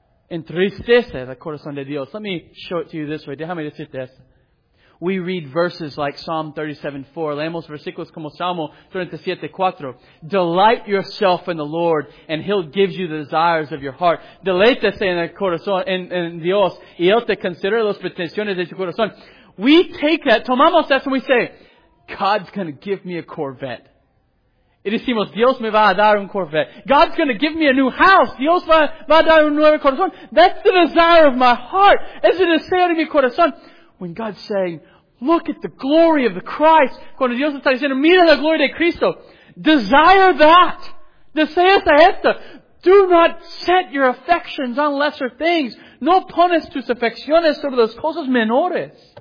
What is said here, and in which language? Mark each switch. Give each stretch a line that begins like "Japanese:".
Spanish: Entristece el corazón de Dios.
English: Let me show it to you this way.
Spanish: Déjame decirte esto.
English: We read verses like Psalm 37:4.
Spanish: Leemos versículos como Salmo 37:4.
English: Delight yourself in the Lord, and He'll give you the desires of your heart.
Spanish: Deleítese en el corazón en Dios, y Él te considera las pretensiones de tu corazón.
English: We take that,
Spanish: tomamos eso,
English: and we say, God's going to give me a Corvette.
Spanish: Y decimos, Dios me va a dar un Corvette.
English: God's going to give me a new house.
Spanish: Dios va a dar un nuevo corazón.
English: That's the desire of my heart.
Spanish: Es el deseo de mi corazón.
English: When God's saying, look at the glory of the Christ.
Spanish: Cuando Dios está diciendo, mira la gloria de Cristo.
English: Desire that.
Spanish: Desea esto.
English: Do not set your affections on lesser things.
Spanish: No pones tus afecciones sobre las cosas menores.